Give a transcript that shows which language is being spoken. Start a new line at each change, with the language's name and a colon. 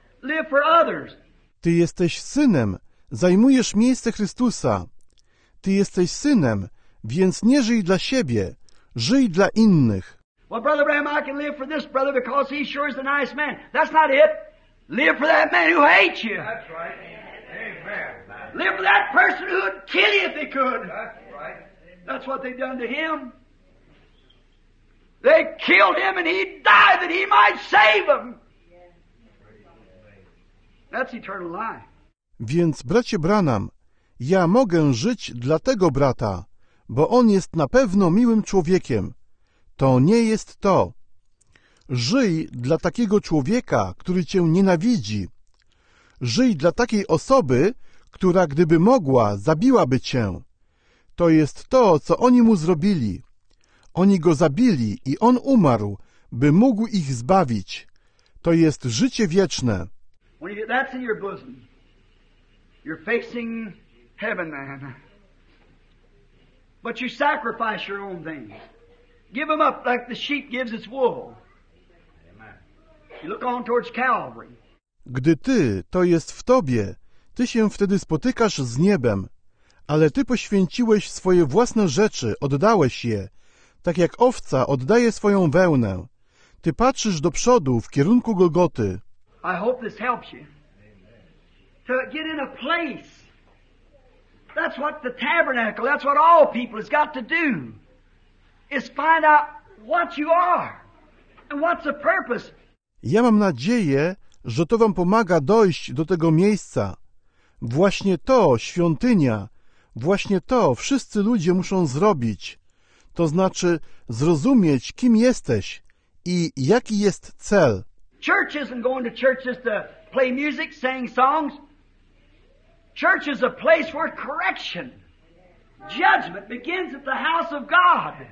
English: Live for others.
Polish: Ty jesteś synem, zajmujesz miejsce Chrystusa. Ty jesteś synem, więc nie żyj dla siebie, żyj dla innych.
English: Well, Brother Bram, I can live for this brother because he sure is a nice man. That's not it. Live for that man who hates you. That's right. Amen. Live for that person who would kill you if he could. That's right. That's what they've done to him. They killed him and he died that he might save them. That's eternal life.
Polish: Więc, bracie Branham, ja mogę żyć dla tego brata, bo on jest na pewno miłym człowiekiem. To nie jest to. Żyj dla takiego człowieka, który cię nienawidzi. Żyj dla takiej osoby, która gdyby mogła, zabiłaby cię. To jest to, co oni mu zrobili. Oni go zabili i on umarł, by mógł ich zbawić. To jest życie wieczne.
English: When you, that's in your bosom. You're facing heaven, man. But you sacrifice your own things. Give them up like the sheep gives its wool. Amen. You look on towards Calvary.
Polish: Gdy ty, to jest w tobie, ty się wtedy spotykasz z niebem, ale ty poświęciłeś swoje własne rzeczy, oddałeś je, tak jak owca oddaje swoją wełnę. Ty patrzysz do przodu, w kierunku Golgoty.
English: I hope this helps you to get in a place. That's what the tabernacle, that's what all people has got to do, is find out what you are and what's the purpose.
Polish: Ja mam nadzieję, że to wam pomaga dojść do tego miejsca. Właśnie to, świątynia, właśnie to wszyscy ludzie muszą zrobić. To znaczy zrozumieć, kim jesteś i jaki jest cel.
English: Church isn't going to church just to play music, sing songs. Church is a place where correction, judgment begins at the house of God.